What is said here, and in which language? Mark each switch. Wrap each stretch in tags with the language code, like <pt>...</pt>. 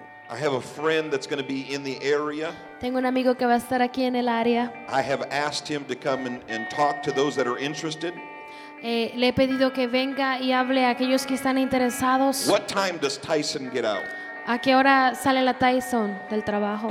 <en>I have a friend that's going to be in the area.</en> <es>Tengo un amigo que va a estar aquí en el área.</es> <en>I have asked him to come and talk to those that are interested.</en> <es>Le he pedido que venga y hable a aquellos que están interesados.</es> <en>What time does Tyson get out?</en> <es>¿A qué hora sale la Tyson del trabajo?</es>